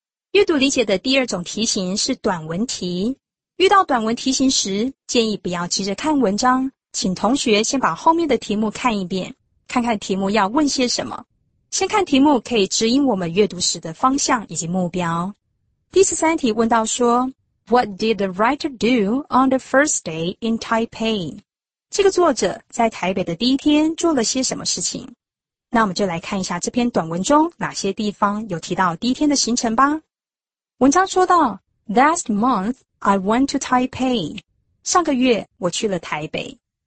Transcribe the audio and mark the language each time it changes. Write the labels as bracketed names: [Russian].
[Chinese] 阅读理解的第二种题型是短文题，遇到短文题型时建议不要急着看文章，请同学先把后面的题目看一遍，看看题目要问些什么。先看题目可以指引我们阅读时的方向以及目标。第十三题问到说 [English] What did the writer do on the first day in Taipei? [Chinese] 这个作者在台北的第一天做了些什么事情。那我们就来看一下这篇短文中哪些地方有提到第一天的行程吧。文章说到 [English] Last month I went to Taipei， [Chinese] 上个月我去了台北。